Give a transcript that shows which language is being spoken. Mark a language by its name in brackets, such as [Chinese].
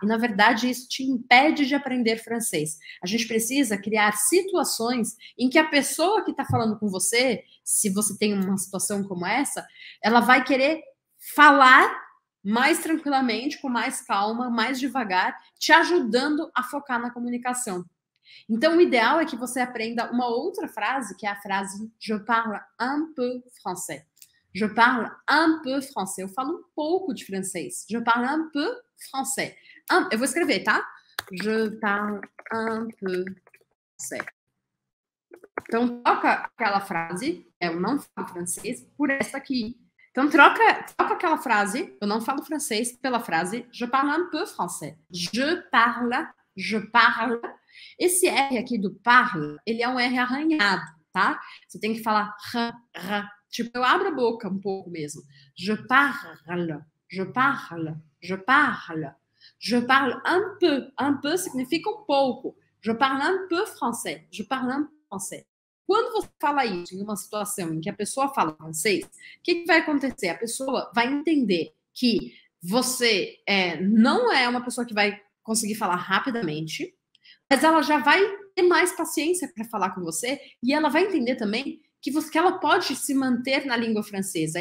[Portuguese] E, na verdade, isso te impede de aprender francês. A gente precisa criar situações em que a pessoa que está falando com você, se você tem uma situação como essa, ela vai querer falar mais tranquilamente, com mais calma, mais devagar, te ajudando a focar na comunicação. Então, o ideal é que você aprenda uma outra frase, que é a frase [French] "Je parle un peu français". Je parle un peu français. [Portuguese] Eu falo um pouco de francês. [French] Je parle un peu français. [Portuguese] Eu vou escrever, tá? [French] Je parle un peu français. [Portuguese] Então, troca aquela frase, eu não falo francês, por essa aqui. Então, troca aquela frase, eu não falo francês, pela frase [French] je parle un peu français. Je parle. [Portuguese] Esse R aqui do parle, ele é um R arranhado, tá? Você tem que falar r. Tipo, eu abro a boca um pouco mesmo. [French] Je parle, je parle, je parle. Je parle un peu [Portuguese] significa um pouco. [French] Je parle un peu français, je parle un peu français. [Portuguese] Quando você fala isso em uma situação em que a pessoa fala francês, o que vai acontecer? A pessoa vai entender que você não é uma pessoa que vai conseguir falar rapidamente, mas ela já vai ter mais paciência para falar com você e ela vai entender também que ela pode se manter na língua francesa.